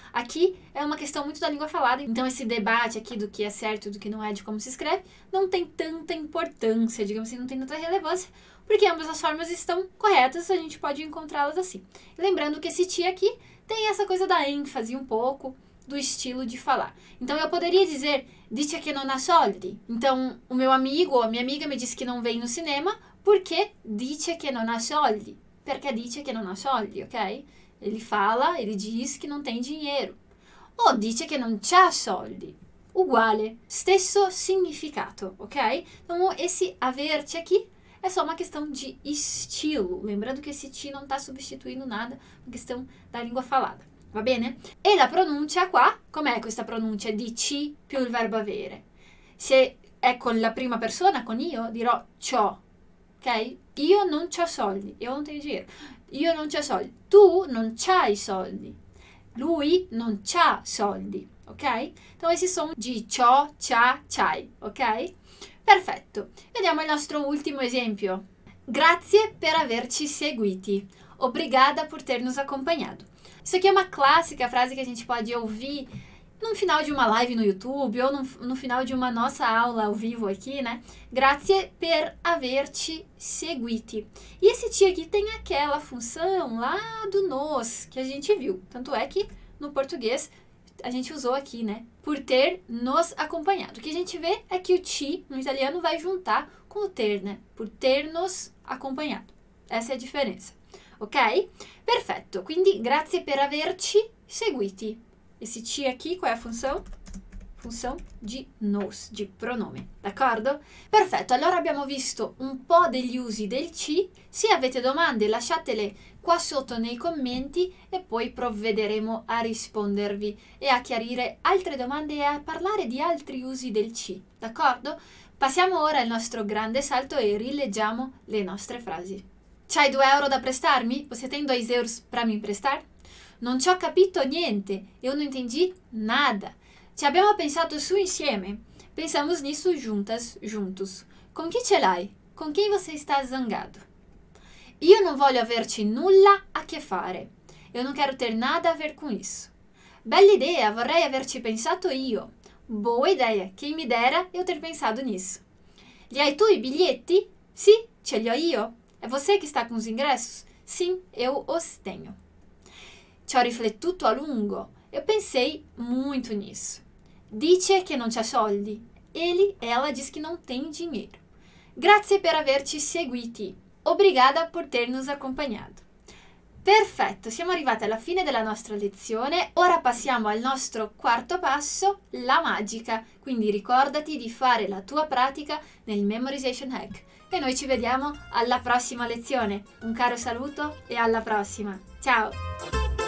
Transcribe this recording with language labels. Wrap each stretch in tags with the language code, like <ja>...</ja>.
<pt>Aqui é uma questão muito da língua falada, então esse debate aqui do que é certo e do que não é, de como se escreve, não tem tanta importância, digamos assim, não tem tanta relevância, porque ambas as formas estão corretas, a gente pode encontrá-las assim. Lembrando que esse ti aqui tem essa coisa da ênfase um pouco do estilo de falar. Então eu poderia dizer</pt> <it>dice che non ha soldi.</it> <pt>Então o meu amigo ou a minha amiga me disse que não vem no cinema porque dice che non ha soldi.</pt> <it>Perché dice che non ha soldi, ok?</it> <pt>Ele fala, ele diz que não tem dinheiro.</pt> <it>Ou dice che non c'ha soldi. Uguale, stesso significato, ok?</it> <pt>Então esse averti aqui é só uma questão de estilo. Lembrando que esse ti não está substituindo nada, uma questão da língua falada.</pt> <it>Va bene? E la pronuncia qua, com'è questa pronuncia di ci più il verbo avere? Se è con la prima persona, con io, dirò c'ho. Ok? Io non c'ho soldi. Io non tengo giro. Io non c'ho soldi. Tu non c'hai soldi. Lui non c'ha soldi. Ok?</it> <pt>Então esse som di ciò, c'ha, c'hai.</pt> <it>Ok? Perfetto. Vediamo il nostro ultimo esempio. Grazie per averci seguiti.</it> <pt>Obrigada por ter nos acompanhado. Isso aqui é uma clássica frase que a gente pode ouvir no final de uma live no YouTube ou no final de uma nossa aula ao vivo aqui, né?</pt> <it>Grazie per averci seguiti.</it> <pt>E esse ti aqui tem aquela função lá do nos que a gente viu. Tanto é que no português a gente usou aqui, né? Por ter nos acompanhado. O que a gente vê é que o ti no italiano vai juntar com o ter, né? Por ter nos acompanhado. Essa é a diferença. Ok?</pt> <it>Perfetto, quindi grazie per averci seguiti.</it> <pt>Esse ti aqui, qual é a função? Função di nos, di pronome, d'accordo?</pt> <it>Perfetto, allora abbiamo visto un po' degli usi del ci. Se avete domande, lasciatele qua sotto nei commenti e poi provvederemo a rispondervi e a chiarire altre domande e a parlare di altri usi del ci, d'accordo? Passiamo ora al nostro grande salto e rileggiamo le nostre frasi. C'hai 2 euro da prestarmi?</it> <pt>Você tem 2 euros para me emprestar?</pt> <it>Non ci ho capito niente.</it> <pt>Eu não entendi nada.</pt> <it>Ci abbiamo pensato su insieme.</it> <pt>Pensamos nisso juntas, juntos.</pt> <it>Con chi ce l'hai?</it> <pt>Con chi você está zangado?</pt> <it>Io non voglio averci nulla a che fare.</it> <pt>Eu não quero ter nada a ver com isso.</pt> <it>Bella idea, vorrei averci pensato io.</it> <pt>Boa ideia, quem me dera eu ter pensado nisso.</pt> <it>Li hai tu i biglietti? Sì, ce li ho io.</it> <pt>É você que está com os ingressos? Sim, eu os tenho.</pt> <it>Ci ho riflettuto a lungo.</it> <pt>Eu pensei muito nisso.</pt> <it>Dice che non c'ha soldi.</it> <pt>Ele, ela diz que não tem dinheiro.</pt> <it>Grazie per averci seguiti.</it> <pt>Obrigada por ter nos acompanhado.</pt> <it>Perfetto, siamo arrivati alla fine della nostra lezione. Ora passiamo al nostro quarto passo, la magica. Quindi ricordati di fare la tua pratica nel Memorization Hack. E noi ci vediamo alla prossima lezione. Un caro saluto e alla prossima. Ciao!</it>